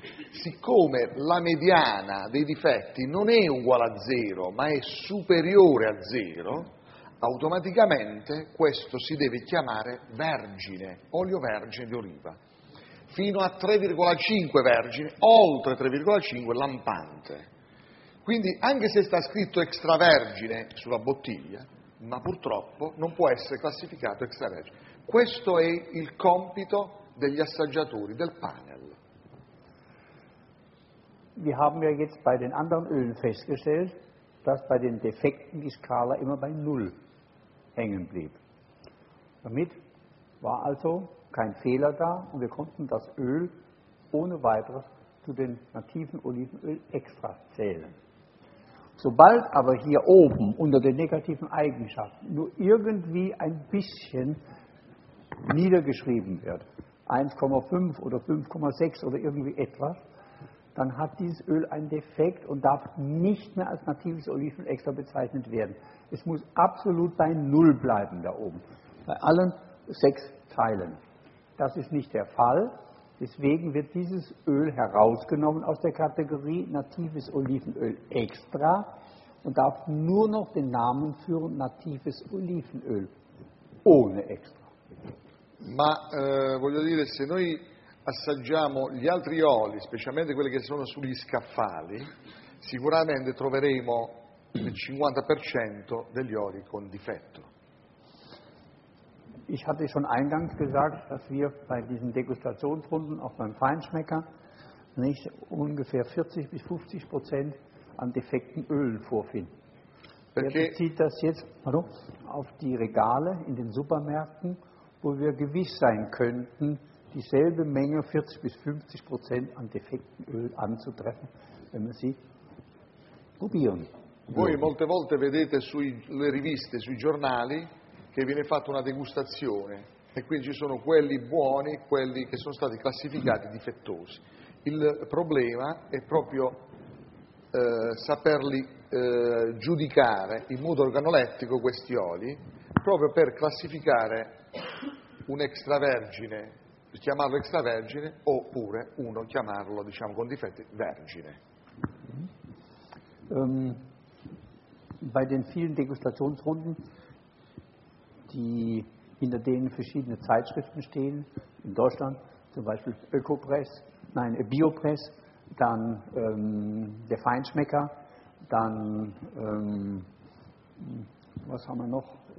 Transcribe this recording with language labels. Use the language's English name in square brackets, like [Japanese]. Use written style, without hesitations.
[Italian] siccome la mediana dei difetti non è uguale a zero, ma è superiore a zero, automaticamente questo si deve chiamare vergine, olio vergine di oliva, fino a 3,5 vergine, oltre 3,5 lampante. Quindi anche se sta scritto extravergine sulla bottiglia, ma purtroppo non può essere classificato extravergine. Questo è il compito degli assaggiatori del panel. [German] Wir haben ja jetzt bei den anderen Ölen festgestellt, dass bei den Defekten die Skala immer bei 0 hängen blieb. Damit war also kein Fehler da und wir konnten das Öl ohne weiteres zu den nativen Olivenöl extra zählen. Sobald aber hier oben unter den negativen Eigenschaften nur irgendwie ein bisschen niedergeschrieben wird, 1,5 oder 5,6 oder irgendwie etwas, dann hat dieses Öl einen Defekt und darf nicht mehr als natives Olivenöl extra bezeichnet werden. Es muss absolut bei 0 bleiben da oben, bei allen 6 Teilen. Das ist nicht der Fall. Deswegen wird dieses Öl herausgenommen aus der Kategorie natives Olivenöl extra und darf nur noch den Namen führen natives Olivenöl ohne extra. [Italian] Ma voglio dire, se noi assaggiamo gli altri oli, specialmente quelli che sono sugli scaffali, sicuramente troveremo il 50% degli oli con difetto. [German] Ich hatte schon eingangs gesagt, dass wir bei diesen Degustationsrunden, auch beim Feinschmecker, nicht ungefähr 40-50% an defekten Ölen vorfinden. Wer bezieht das jetzt auf die Regale in den Supermärkten, wo wir gewiss sein könnten, dieselbe Menge 40-50% an defekten Öl anzutreffen, wenn wir sie probieren? [Italian] Voi molte volte vedete sulle riviste, sui giornali, che viene fatta una degustazione e quindi ci sono quelli buoni e quelli che sono stati classificati difettosi. Il problema è proprio saperli giudicare in modo organolettico questi oli, proprio per classificare un extravergine, chiamarlo extravergine, oppure uno chiamarlo, diciamo con difetti, vergine. [German] Bei den vielen Degustationsrunden, die hinter denen verschiedene Zeitschriften stehen, in Deutschland zum Beispiel Ökopress, nein, Biopress, dann der Feinschmecker, dann, was haben wir noch?